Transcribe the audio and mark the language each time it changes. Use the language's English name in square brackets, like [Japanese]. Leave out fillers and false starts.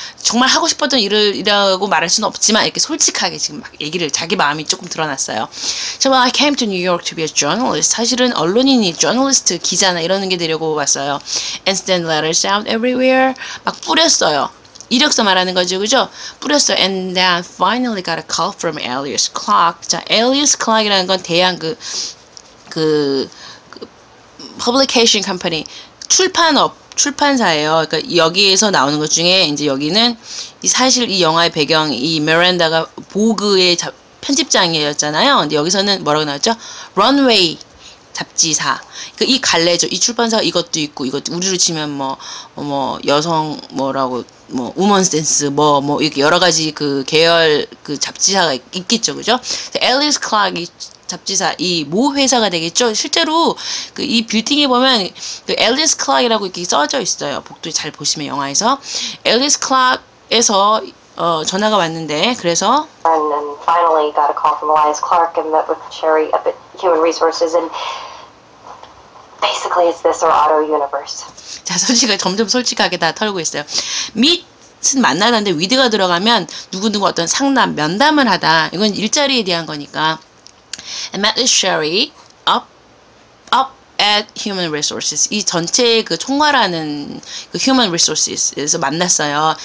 [Korean] 정말 하고 싶었던 일을 이라고 말할 수는 없지만 이렇게 솔직하게 지금 막 얘기를 자기 마음이 조금 드러났어요. [English] So I came to New York to be a journalist. [Korean] 사실은 언론인이 journalist 기자나 이러는 게 되려고 왔어요. [English] And send letters out everywhere. [Korean] 막 뿌렸어요. 이력서 말하는 거죠, 그죠? 뿌렸어. [English] And then finally got a call from Elias Clark. [Korean] 자, Elias Clark이라는 건 대양 publication company. 출판사예요. 그러니까 여기에서 나오는 것 중에 이제 여기는 사실 이 영화의 배경 이 미란다가 보그의 편집장이었잖아요. 근데 여기서는 뭐라고 나왔죠? 런웨이 잡지사. 그러니까 이 갈래죠. 이 출판사 이것도 있고 이것도 우리로 치면 뭐 여성 뭐라고 뭐 우먼센스 뭐뭐 이렇게 여러 가지 그 계열 그 잡지사가 있겠죠, 그죠? 앨리스 클락이 잡지사 이모 회사가 되겠죠. 실제로 그이 빌딩에 보면 그 앨리스 클락이라고 이렇게 써져 있어요. 복도 잘 보시면 영화에서 앨리스 클락에서 전화가 왔는데 그래서 [English] And finally got a call from Elias Clark and met with Cherry up at Human Resources and basically it's this or auto universe. [Korean] 자, 솔직히 점점 솔직하게 다 털고 있어요. 밑은 만나는데 위드가 들어가면 누구누구 어떤 상담 면담을 하다. 이건 일자리에 대한 거니까. [English] I met with Sherry up at Human Resources. [Korean] 이 전체 그 총괄하는 그 Human Resources에서 만났어요.